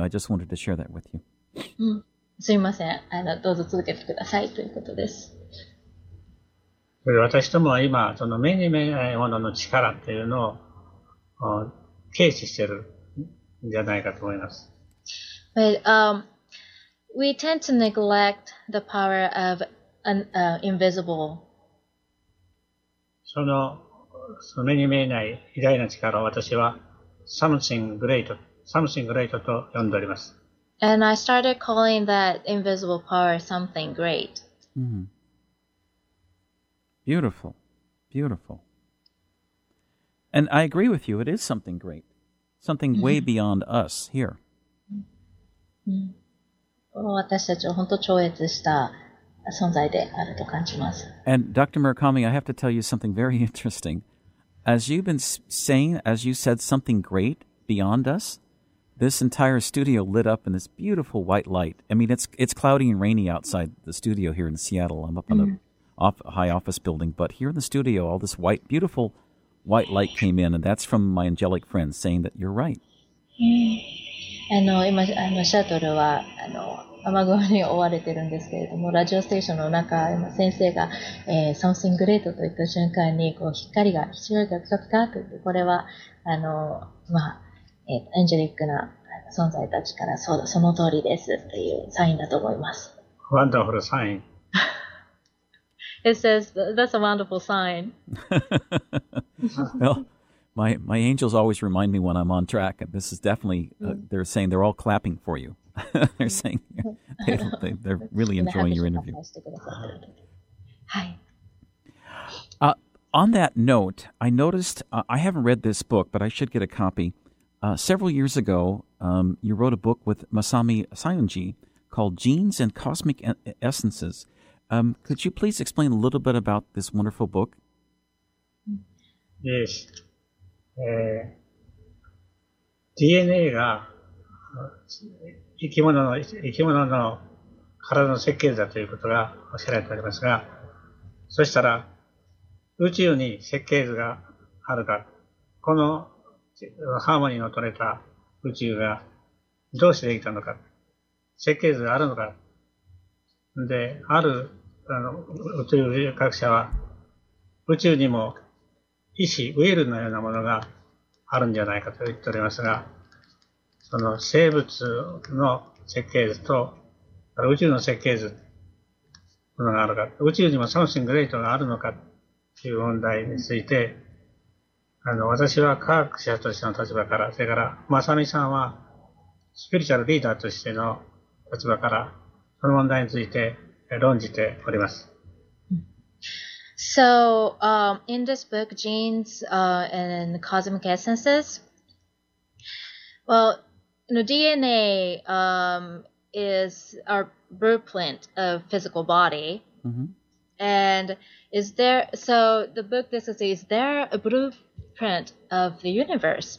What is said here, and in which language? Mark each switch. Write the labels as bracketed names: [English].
[English] I just wanted to share that with you. [Japanese] すいません。どうぞ続けてくださいということです。私どもは今、その目に見えないものの力っていうのを軽視してるんじゃないかと思います。 [English] We tend to neglect the power of invisible. [Japanese] その目に見えない偉大な力を私は something great、something great と呼んでおります。 [English] And I started calling that invisible power something great.、 Mm-hmm. Beautiful. Beautiful. And I agree with you, it is something great. Something、mm-hmm. way beyond us here.、 Mm-hmm. [Japanese] 私たちは本当超越した存在であると感じます。 [English] And Dr. Murakami, I have to tell you something very interesting. As you've been saying, as you said something great beyond us,This entire studio lit up in this beautiful white light. I mean, it's cloudy and rainy outside the studio here in Seattle. I'm up in a high office building. But here in the studio, all this white, beautiful white light came in. And that's from my angelic friends saying that you're right. [Japanese] シャトルは雨雲に覆われてるんですけれども、ラジオステーションの中、先生が、something great と言った瞬間に、こう光が非常にガクガクガクって、これは、エンジェリックな存在たちからその通りですというサインだと思います。 [English] Wonderful sign. It says that's a wonderful sign. Well, my angels always remind me when I'm on track, and this is definitely, they're saying they're all clapping for you. They're saying they're really enjoying your interview. Hi. On that note, I noticed, I haven't read this book, but I should get a copy. Several years ago, you wrote a book with Masami Sayonji called Genes and Cosmic Essences. Could you please explain a little bit about this wonderful book? Yes. [Japanese] DNA が生き物の体の設計図だということがおっしゃられておりますが、そしたら宇宙に設計図があるか、このハーモニーの取れた宇宙がどうしてできたのか、設計図があるのか。で、ある、宇宙学者は、宇宙にも意志、ウィルのようなものがあるんじゃないかと言っておりますが、その生物の設計図と、宇宙の設計図、ものがあるか、宇宙にもサムシングレートがあるのか、という問題について、私は科学者としての立場から、それから、まさみさんは、スピリチュアルリーダーとしての立場から、その問題について論じております。 [English] So, in this book, Genes, and Cosmic Essences, well, DNA, is our blueprint of physical body.、 Mm-hmm. And is there, so the book discusses, is there a blueprint of the universe?